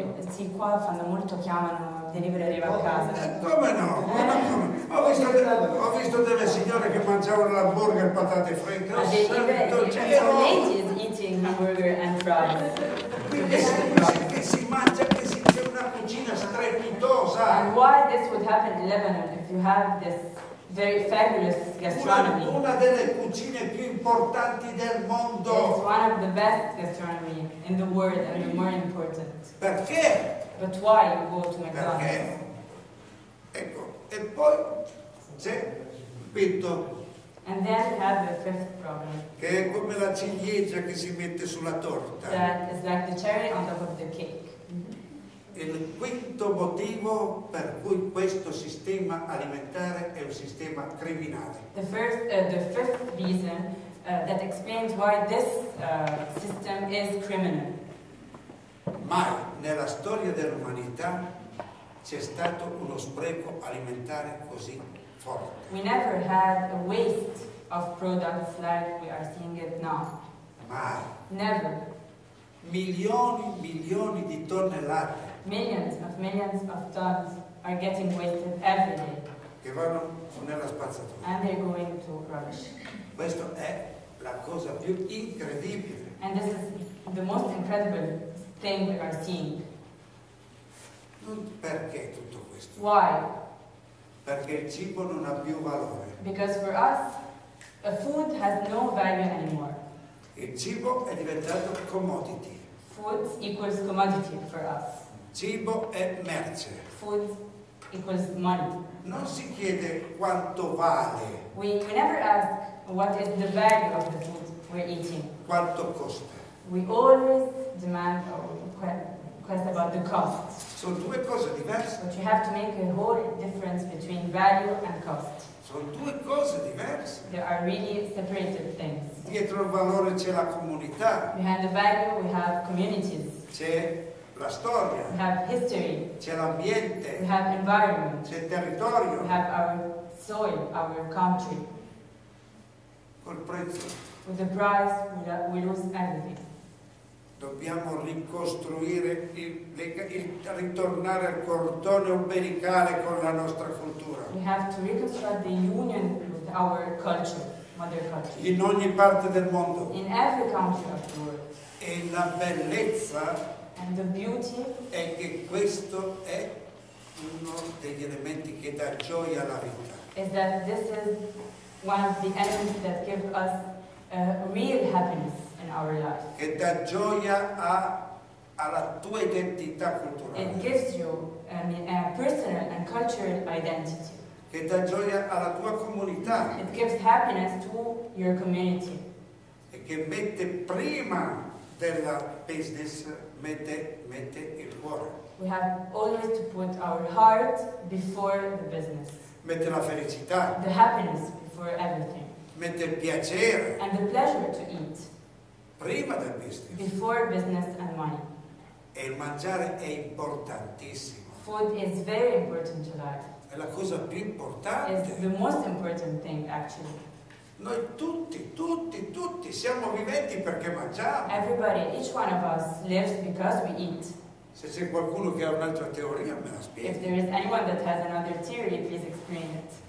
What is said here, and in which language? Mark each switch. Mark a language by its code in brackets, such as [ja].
[it] Sì, qua fanno molto, chiamano delivery, arriva a casa. Come no? Ho visto delle signore che mangiavano l'hamburger e patate fritte. Ho sentito [en] ladies eating hamburger and fries. [it] Che si mangia, che si c'è una cucina strepitosa. [en] And why this would happen in Lebanon if you have this very fabulous gastronomy? [it] Una delle cucine più importanti del mondo. [en] It's one of the best gastronomy in the world and the more important. [it] Perché? [en] But why you go to McDonald's? [it] Perché? Ecco, e poi c'è quinto. [en] And then we have the fifth problem. [it] Che è come la ciliegia che si mette sulla torta. [en] That is like the cherry on top of the cake. [it] Il quinto motivo per cui questo sistema alimentare è un sistema criminale. [en] The fifth reason that explains why this system is criminal. [it] Mai nella storia dell'umanità c'è stato uno spreco alimentare così forte. [en] We never had a waste of products like we are seeing it now. [it] Mai. [en] Never. [it] Milioni di tonnellate. [en] Millions of tons are getting wasted every day. [it] Che vanno nella spazzatura. [en] And they're going to rubbish. [it] Questo è la cosa più incredibile. [en] And this is the most incredible thing we are seeing. [it] Perché tutto questo? [en] Why? [it] Perché il cibo non ha più valore. [en] Because for us, a food has no value anymore. [it] Il cibo è diventato commodity. [en] Food equals commodity for us. [it] Cibo è merce. [en] Food equals money. [it] Non si chiede quanto vale. [en] We never ask what is the value of the food we're eating. [it] Quanto costa. [en] We always demand or request about the cost. [it] Sono due cose diverse. [en] But you have to make a whole difference between value and cost. [it] Sono due cose diverse. [en] They are really separated things. [it] Dietro il valore c'è la comunità. [en] Behind the value we have communities. [it] C'è la storia. [en] We have history. [it] C'è l'ambiente. [en] We have environment. [it] C'è il territorio. [en] We have our soil, our country. [it] Col prezzo. [en] With the price we lose everything. [it] Dobbiamo ricostruire ritornare al cordone umbilicale con la nostra cultura. [en] We have to reconstruct the union with our culture, mother culture. [it] In ogni parte del mondo. [en] In every country of the world. [it] E la bellezza. [en] And the beauty. [it] È che questo è uno degli elementi che dà gioia alla vita. [en] Is that this is one of the elements that give us real happiness in our life. [it] Che dà gioia alla tua identità culturale. [en] It gives you a personal and cultural identity. [it] Che dà gioia alla tua comunità. [en] It gives happiness to your community. [it] E che mette prima della business, mette il cuore. [en] We have always to put our heart before the business. [it] Mette la felicità. [en] The happiness before everything. [it] Mette il piacere. [en] And the pleasure to eat. [it] Prima del business. [en] Before business and money. [it] E il mangiare è importantissimo. [en] Food is very important to life. [it] È la cosa più importante. [en] It's the most important thing actually. [it] Noi tutti siamo viventi perché mangiamo. [en] Everybody, each one of us lives because we eat. [it] Se c'è qualcuno che ha un'altra teoria, me la spieghi. [en] If there is anyone that has another theory, please explain it.